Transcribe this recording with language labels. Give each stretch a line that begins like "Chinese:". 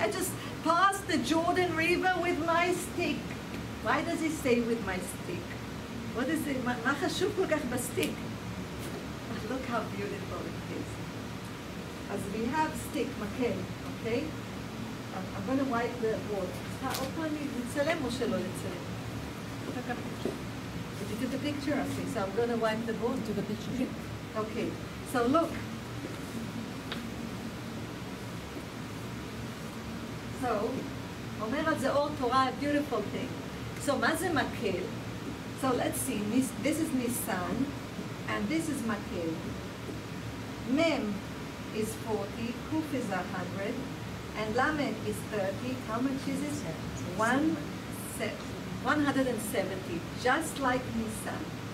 English: I just passed the Jordan River with my stick. Why does he say with my stick? What is it?
Hebrew: מה חשוב כל כך בסטיק?
English: Look how beautiful it is. As we have stick, מקל, okay? I'm gonna wipe the water. How can you
Hebrew: לצלם או שלא לצלם?
English: Did you do the picture? Okay, so I'm gonna wipe the board. Do the picture. Okay, so look.
Hebrew: So, אומר את זה אור תורה,
English: a beautiful thing. So,
Hebrew: מה זה מקל?
English: So, let's see. This is Nissan, and this is מקל. Mem is 40, Kuf is 100, and Lamed is 30. How much is it? 170, just like Nissan.